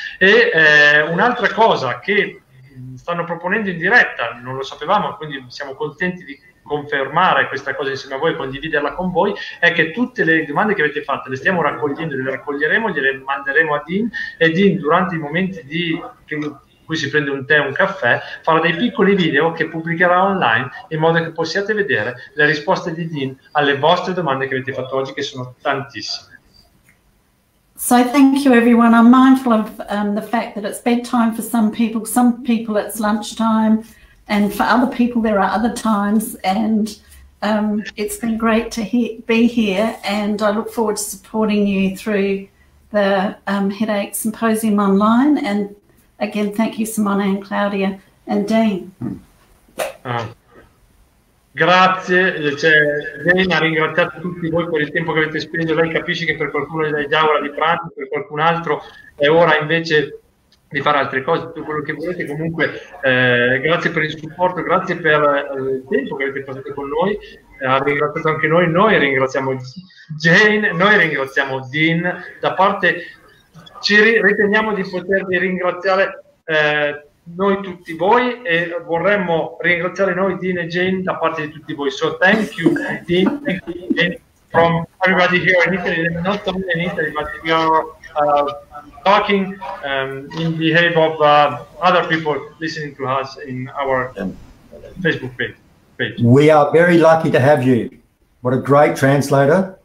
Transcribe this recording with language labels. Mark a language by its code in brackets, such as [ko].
[it] E un'altra cosa che stanno proponendo in diretta, non lo sapevamo, quindi siamo contenti di confermare questa cosa insieme a voi, condividerla con voi, è che tutte le domande che avete fatto le stiamo raccogliendo, le raccoglieremo, gliele manderemo a Dean, e Dean durante i momenti di... qui si prende un tè, un caffè, farà dei piccoli video che pubblicherà online in modo che possiate vedere le risposte di Dean alle vostre domande che avete fatto oggi, che sono tantissime. [en] So thank you everyone. I'm mindful of the fact that it's bedtime for some people it's lunchtime, and for other people there are other times, and it's been great to be here, and I look forward to supporting you through the Headache Symposium online. And again, thank you, Simone and Claudia and Dean. [it] Grazie, cioè, Dean ha ringraziato tutti voi per il tempo che avete speso. Lei capisce che per qualcuno è già ora di pranzo, per qualcun altro è ora invece di fare altre cose, tutto quello che volete. Comunque, grazie per il supporto, grazie per il tempo che avete passato con noi. Ha ringraziato anche noi. Noi ringraziamo Jane, noi ringraziamo Dean. Da parte... ci riteniamo di potervi ringraziare noi tutti voi, e vorremmo ringraziare noi Dean e Jane da parte di tutti voi. [en] So thank you Dean, thank you Jane, from everybody here in Italy, not only in Italy, but we are talking in behalf of other people listening to us in our Facebook page. We are very lucky to have you. What a great translator.